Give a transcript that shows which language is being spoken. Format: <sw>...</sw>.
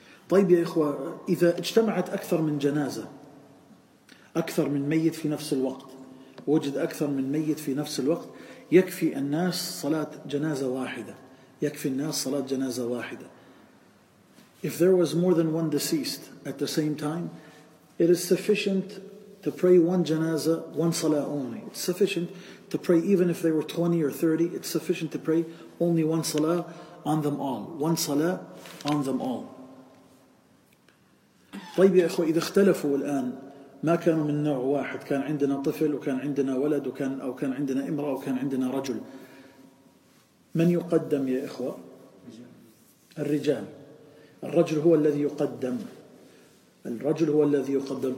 <ar>طيب يا إخوة، إذا اجتمعت أكثر من جنازة، أكثر من ميت في نفس الوقت، وجد أكثر من ميت في نفس الوقت، يكفي الناس صلاة جنازة واحدة، يكفي الناس صلاة جنازة واحدة.</ar> <en>If there was more than one deceased at the same time, it is sufficient to pray one janazah, one salah only. It's sufficient to pray, even if they were 20 or 30, it's sufficient to pray only one salah on them all. One salah on them all.</en> <ar>طيب يا إخوة، إذا اختلفوا الآن، ما كانوا من نوع واحد، كان عندنا طفل وكان عندنا ولد وكان أو كان عندنا امرأة وكان عندنا رجل، من يقدم يا إخوة؟ الرجال. الرجل هو الذي يقدم، الرجل هو الذي يقدم.</ar>